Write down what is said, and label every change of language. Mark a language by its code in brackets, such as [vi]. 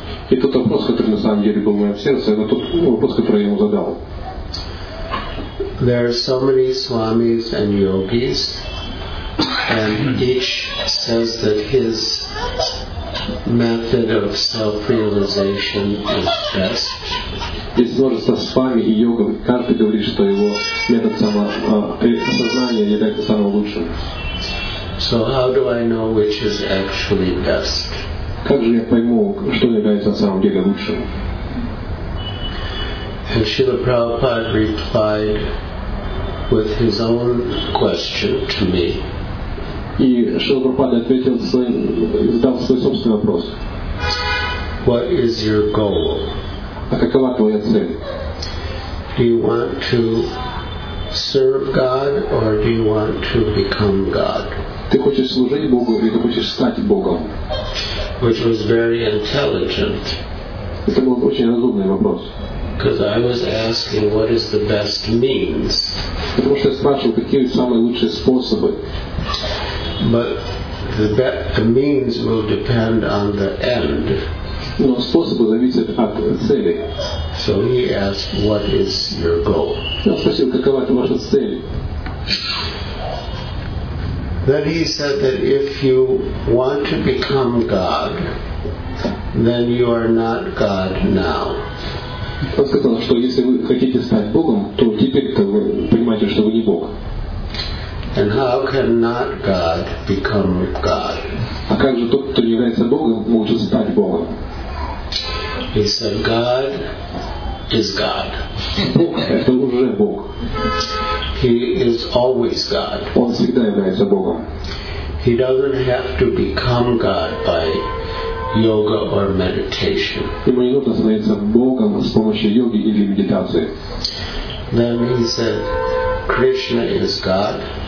[ru] И тот вопрос, который на самом деле был в моем сердце, это тот вопрос, который я ему задал. [en] There are so many swamis and yogis, and each says that his method of self-realization is best. [ru] Есть множество свами и йогов, и каждый говорит, что его метод самосознания является самым лучшим. [en] So how do I know which is actually best? [ru] Как же я пойму, что является на самом деле лучшим? [en] And Srila Prabhupada replied with his own question to me. [ru] И Шрила Прабхупада ответил задал свой собственный вопрос. [en] What is your goal? [ru] А какова твоя цель? [en] Do you want to serve God or do you want to become God? [ru] Ты хочешь служить Богу или ты хочешь стать Богом? [en] Which was very intelligent. [ru] Это был очень разумный вопрос. [en] Because I was asking what is the best means. [ru] Потому что я спрашивал, какие самые лучшие способы. [en] But the means will depend on the end. [ru] Но способы зависят от цели. [en] So he asked, what is your goal? [ru] Он спросил, какова это ваша цель? [en] Then he said that if you want to become God, then you are not God now. [ru] Он сказал, что если вы хотите стать Богом, то теперь-то вы понимаете, что вы не Бог. [en] And how can not God become God? [ru] А как же тот, кто не является Богом, может стать Богом? [en] He said, God is God. [ru] Бог — это уже Бог. [en] He is always God. [ru] Он всегда является Богом. [en] He doesn't have to become God by yoga or meditation. [ru] Ему не нужно становиться Богом с помощью йоги или медитации. [en] Then he said, Krishna is God.